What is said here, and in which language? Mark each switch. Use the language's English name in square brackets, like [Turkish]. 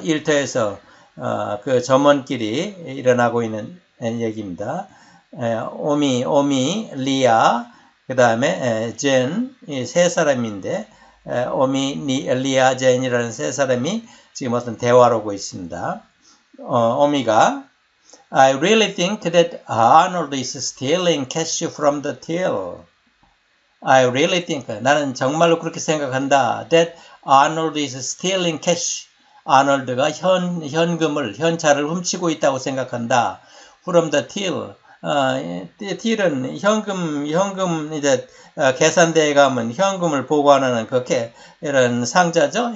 [Korean] 일터에서 그 점원끼리 일어나고 있는 얘기입니다. 오미, 리아, 그 다음에 젠, 이 세 사람인데 오미, 리아, 젠이라는 세 사람이 지금 어떤 대화를 하고 있습니다. 오미가 [English] I really think that Arnold is stealing cash from the till. I really think, [Korean] 나는 정말로 그렇게 생각한다. [English] That Arnold is stealing cash. [Korean] 아놀드가 현찰을 훔치고 있다고 생각한다. [English] From the till. [Korean] 딜은 현금 이제 계산대에 가면 현금을 보관하는 그렇게 이런 상자죠.